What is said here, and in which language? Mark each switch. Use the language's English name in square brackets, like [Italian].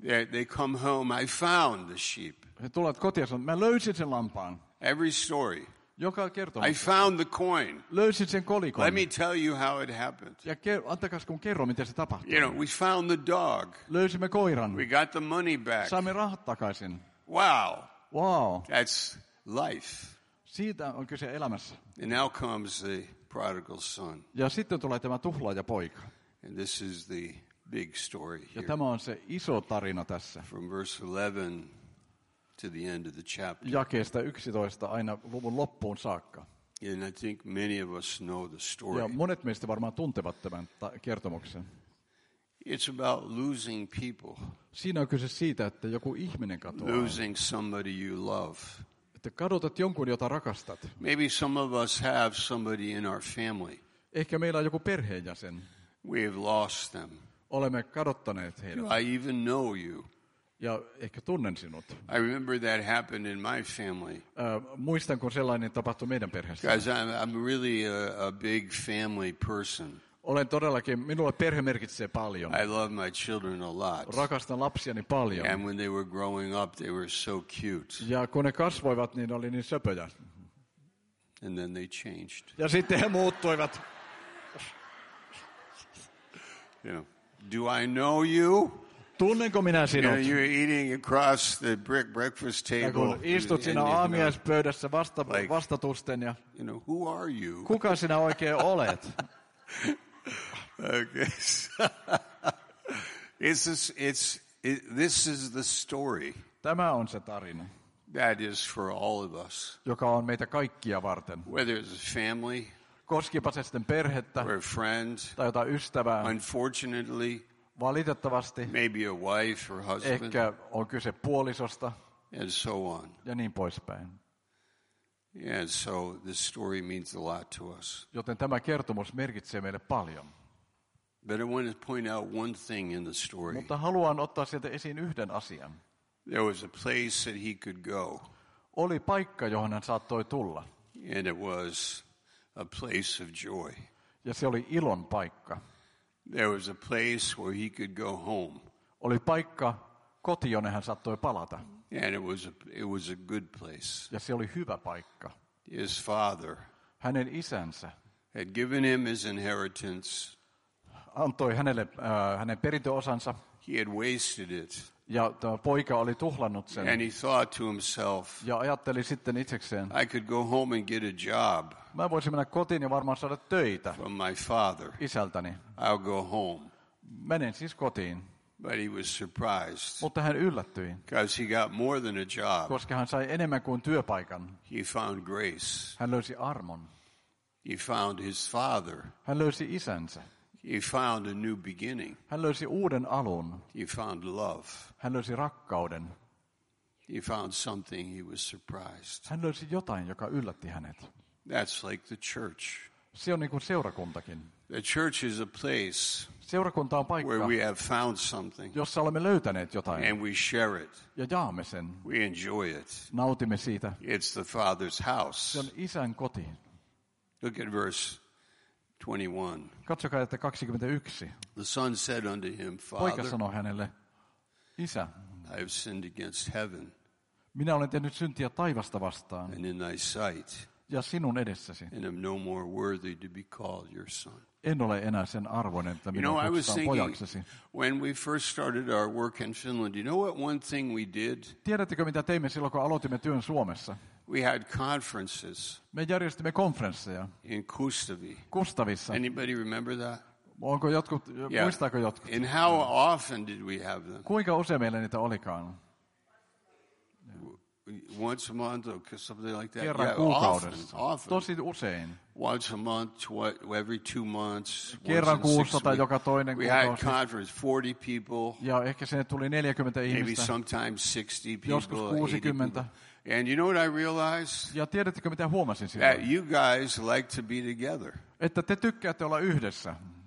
[English] They come home. I found the sheep. [Finnish] He tulevat kotiin ja sanovat, mä löysin sen lampaan. [English] Every story. [Finnish] joka kertomus. [English] I found the coin. [Finnish] Löysin sen kolikon. [English] Let me tell you how it happened. [Finnish] Ja antakaas kun kerro miten se tapahtui. [English] You know, we found the dog. [Finnish] Löysimme koiran. [English] We got the money back. [Finnish] Saimme rahat takaisin. [English] Wow. Wow. That's life. [Finnish] Siitä on kyse elämässä. [English] And now comes the prodigal son. [Finnish] Ja sitten tulee tämä tuhlaaja poika. [English] And this is the big story here. [Finnish] Ja tämä on se iso tarina tässä. [English] From verse 11 to the end of the chapter. [Finnish] Jakeesta 11 aina luvun loppuun saakka. [English] And I think many of us know the story. [Finnish] Ja monet meistä varmaan tuntevat tämän kertomuksen. [English] It's about losing people. [Finnish] Siinä on kyse siitä, että joku ihminen katoaa. [English] Losing somebody you love. [Finnish] Että kadotat jonkun, jota rakastat. [English] Maybe some of us have somebody in our family. [Finnish] Ehkä meillä on joku perheenjäsen. [English] We have lost them. [Finnish] Olemme kadottaneet heidät. [English] I even know you. [Finnish] Ja ehkä tunnen sinut. [English] I remember that happened in my family. [Finnish] Muistan, kun sellainen tapahtui meidän perheessä. [English] Guys, I'm really a big family person. [Finnish] Olen todellakin, minulle perhe merkitsee paljon. [English] I love my children a lot. [Finnish] Rakastan lapsiani paljon. [English] And when they were growing up, they were so cute. [Finnish] Ja kun ne kasvoivat, niin oli niin söpöjä. [English] And then they changed. [Finnish] Ja sitten he muuttuivat. [English] You know, do I know you? [Finnish] Tunnenko minä sinut? [English] You know, you're eating across the brick breakfast table. [Finnish] Ja kun istut siinä aamiaispöydässä vastatusten ja. [English] You know, who are you? [Finnish] Kuka sinä oikein olet? [English] Okay. This is the story. [Finnish] Tämä on se tarina. [English] That is for all of us. [Finnish] Joka on meitä kaikkia varten. [English] Whether it's a family. [Finnish] Koskipa se sitten perhettä. [English] Or a friend. [Finnish] Tai jotain ystävää. [English] Unfortunately. [Finnish] Valitettavasti. [English] Maybe a wife or husband. [Finnish] Ehkä on kyse puolisosta. [English] And so on. [Finnish] Ja niin poispäin. [English] Yeah, so this story means a lot to us. [Finnish] Joten tämä kertomus merkitsee meille paljon. [English] But I want to point out one thing in the story. [Finnish] Mutta haluan ottaa sieltä esiin yhden asian. [English] There was a place that he could go. [Finnish] Oli paikka, johon hän saattoi tulla. [English] And it was a place of joy. [Finnish] Ja se oli ilon paikka. [English] There was a place where he could go home. [Finnish] Oli paikka, koti, jonne hän saattoi palata. [English] And it was a good place. [Finnish] Ja se oli hyvä paikka. [English] His father, [Finnish] hänen isänsä, [English] had given him his inheritance. [Finnish] Antoi hänelle hänen perintöosansa. [English] He had wasted it. [Finnish] Ja tämä poika oli tuhlannut sen. [English] And he thought to himself, [Finnish] ja ajatteli sitten itsekseen, [English] I could go home and get a job. [Finnish] Mä voisin mennä kotiin ja varmaan saada töitä. [English] From my father, [Finnish] isältäni. [English] I'll go home. [Finnish] Menen siis kotiin. [English] But he was surprised. [Finnish] Mutta hän yllättyi. [English] Because he got more than a job. [Finnish] Koska hän sai enemmän kuin työpaikan. [English] He found grace. [Finnish] Hän löysi armon. [English] He found his father. [Finnish] Hän löysi isänsä. [English] He found a new beginning. [Finnish] Hän löysi uuden alun. [English] He found love. [Finnish] Hän löysi rakkauden. [English] He found something he was surprised. [Finnish] Hän löysi jotain, joka yllätti hänet. [English] That's like the church. [Finnish] Se on niin kuin seurakuntakin. [English] The church is a place. [Finnish] Seurakunta on paikka, [English] where we have found something, [Finnish] jossa olemme löytäneet jotain, [English] and we share it, [Finnish] ja jaamme sen, [English] we enjoy it, [Finnish] nautimme siitä. [English] It's the Father's house. [Finnish] Se on isän koti. [English] Look at verse 21. [Finnish] Katsokaa, että 21. [English] The son said unto him, Father, [Finnish] poika sanoi hänelle, isä, [English] I have sinned against heaven, [Finnish] minä olen tehnyt syntiä taivasta vastaan, [English] and in thy sight, [Finnish] ja sinun edessäsi, [English] and am no more worthy to be called your son. [Finnish] En ole enää sen arvoinen, että minun kutsutaan pojaksesi. [English] When we first started our work in Finland, you know what one thing we did? [Finnish] Tiedättekö mitä teimme silloin, kun aloitimme työn Suomessa? [English] We had conferences. [Finnish] Me järjestimme konferensseja. [English] In Kustavi. [Finnish] Kustavissa. [English] Anybody remember that? [Finnish] Onko jotkut, yeah. Muistaako jotkut? [English] And how often did we have them? [Finnish] Kuinka usein meillä niitä olikaan? [English] Once a month or something like that. [Finnish] Kerran kuukaudessa. Tosi usein. [English] Once a month, every 2 months. [Finnish] Kerran kuussa tai joka toinen kuukausi. [English] We had conference, 40 people. [Finnish] Ja ehkä sinne tuli 40 ihmistä. [English] Maybe sometimes 60 people. [Finnish] Joskus 60. [English] And you know what I realized? [Finnish] Ja tiedättekö mitä huomasin silloin? [English] That you guys like to be together. [Finnish] Että te tykkäätte olla yhdessä.